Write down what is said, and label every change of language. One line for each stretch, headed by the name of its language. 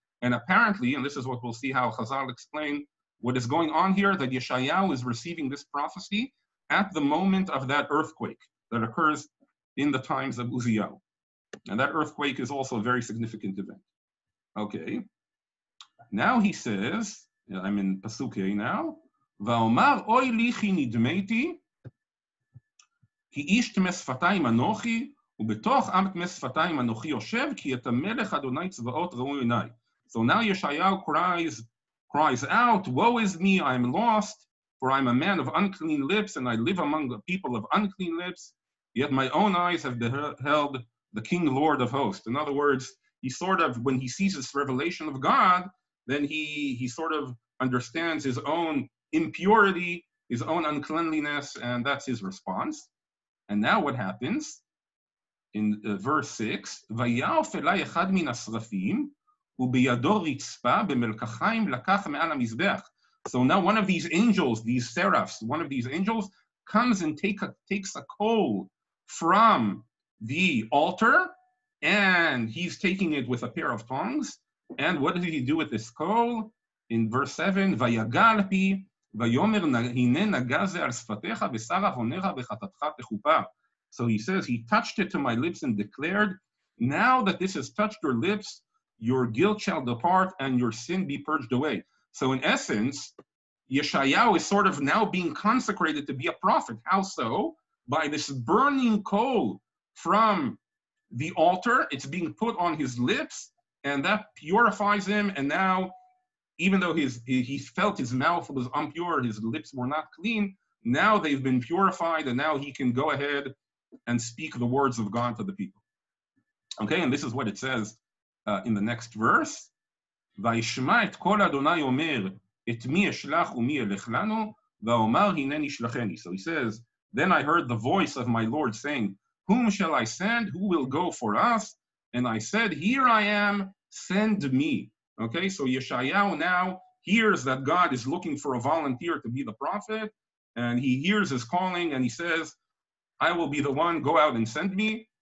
English: And apparently, and this is what we'll see how Chazal explain what is going on here, that Yeshayahu is receiving this prophecy at the moment of that earthquake that occurs in the times of Uzziah. And that earthquake is also a very significant event. Okay. Now he says, I'm in Pasuke now,
Hebrew: ואומר אוי לי כי נדמיתי, כי איש טמא שפתיים אנוכי, ובתוך עם טמא שפתיים אנוכי יושב, כי את המלך אדוני צבאות ראו עיניי.
English: So now Yeshayahu cries out, woe is me, I am lost, for I am a man of unclean lips, and I live among the people of unclean lips, yet my own eyes have beheld the King Lord of hosts. In other words, he sort of, when he sees this revelation of God, then he sort of understands his own impurity, his own uncleanliness, and that's his response. And now what happens in verse 6,
Hebrew: ויעוף אלי אחד מן השרפים, ובידו רצפה במלקחיים לקח מעל המזבח.
English: So now one of these angels, these seraphs, one of these angels comes and takes a coal from the altar, and he's taking it with a pair of tongs. And what did he do with this coal? In verse 7,
Hebrew: ויגל פי, ויומר הנה נגע זה על שפתיך ושר אהרונך וחטאתך תכופה.
English: So he says, he touched it to my lips and declared, now that this has touched your lips, your guilt shall depart and your sin be purged away. So in essence, Yeshayahu is sort of now being consecrated to be a prophet. How so? By this burning coal from the altar, it's being put on his lips, and that purifies him. And now, even though he felt his mouth was impure, his lips were not clean, now they've been purified, and now he can go ahead and speak the words of God to the people. Okay, and this is what it says in the next verse.
Hebrew: וישמע את כל אדוני אומר, את מי אשלח ומי אלך לנו, ואומר הנני שלחני.
English: So he says, then I heard the voice of my Lord saying, whom shall I send? Who will go for us? And I said, here I am, send me. Okay, so Yeshayahu now hears that God is looking for a volunteer to be the prophet, and he hears his calling, and he says, I will be the one, go out and send me.